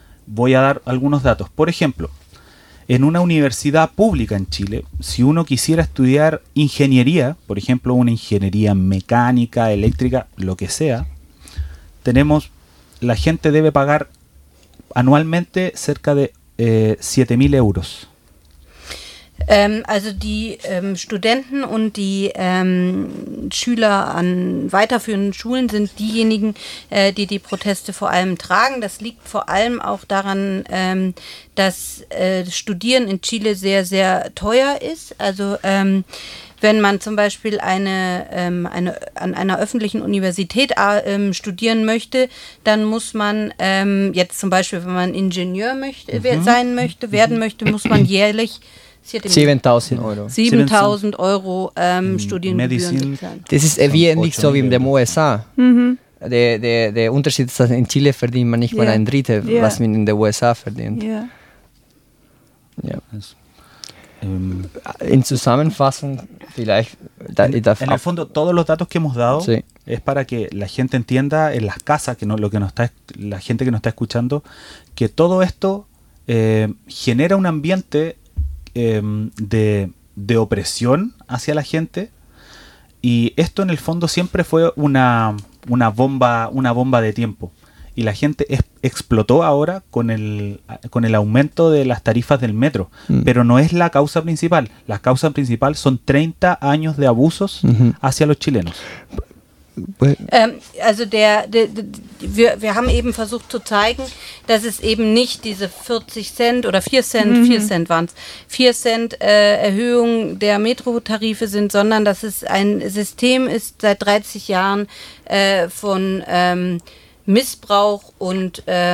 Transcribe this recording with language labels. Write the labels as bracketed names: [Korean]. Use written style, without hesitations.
[Spanish] Voy a dar algunos datos. Por ejemplo, en una universidad pública en Chile, si uno quisiera estudiar ingeniería, por ejemplo, una ingeniería mecánica, eléctrica, lo que sea, la gente debe pagar anualmente cerca de 7.000 euros. [German] Also die Studenten und die Schüler an weiterführenden Schulen sind diejenigen, die die Proteste vor allem tragen. Das liegt vor allem auch daran, dass Studieren in Chile sehr, sehr teuer ist. Also wenn man zum Beispiel an einer öffentlichen Universität studieren möchte, dann muss man jetzt zum Beispiel, wenn man Ingenieur werden möchte, muss man jährlich 7.000 Euro Studiengebühren bezahlen. Das ist wie nicht so wie in den USA. Der Unterschied ist, dass in Chile verdient man nicht mal ein Drittel, was man in den USA verdient. In Zusammenfassung vielleicht... [Spanish] En el fondo, todos los datos que hemos dado es para que la gente entienda en las casas, la gente que nos está escuchando, que todo esto genera un ambiente de opresión hacia la gente, y esto en el fondo siempre fue una bomba de tiempo, y la gente explotó ahora con el aumento de las tarifas del metro. Pero no es la causa principal. La causa principal son 30 años de abusos hacia los chilenos. [German] Also wir haben eben versucht zu zeigen, dass es eben nicht diese 40 Cent oder 4 Cent, 4 Cent waren es, 4 Cent Erhöhung der Metro-Tarife sind, sondern dass es ein System ist seit 30 Jahren von Missbrauch und